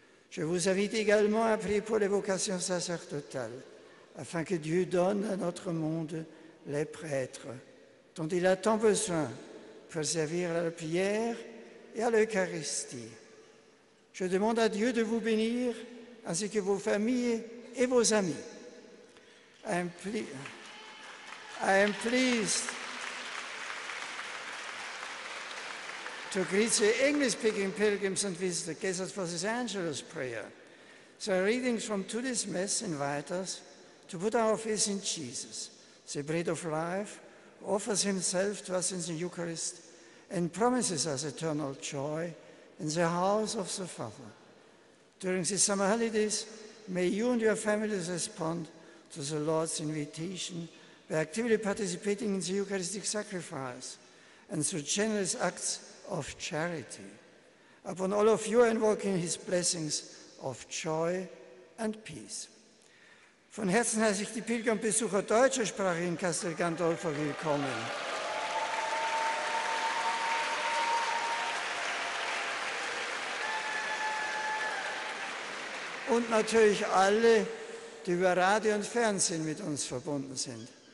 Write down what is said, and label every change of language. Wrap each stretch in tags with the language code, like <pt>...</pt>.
<fr>Je vous invite également à prier pour les vocations sacerdotales, afin que Dieu donne à notre monde les prêtres dont il a tant besoin pour servir à la prière et à l'Eucharistie. Je demande à Dieu de vous bénir, ainsi que vos familles et vos amis.</fr> <en>I am pleased to greet the English-speaking pilgrims and visitors gathered for this Angelus prayer. The readings from today's Mass invite us to put our faith in Jesus, the bread of life, offers himself to us in the Eucharist, and promises us eternal joy in the house of the Father. During the summer holidays, may you and your families respond to the Lord's invitation by actively participating in the Eucharistic sacrifice and through generous acts of charity. Upon all of you, I invoke his blessings of joy and peace.</en> <de>Von Herzen heiße ich die Pilgernbesucher deutscher Sprache in Castel-Gandolfo willkommen. Und natürlich alle, die über Radio und Fernsehen mit uns verbunden sind.</de>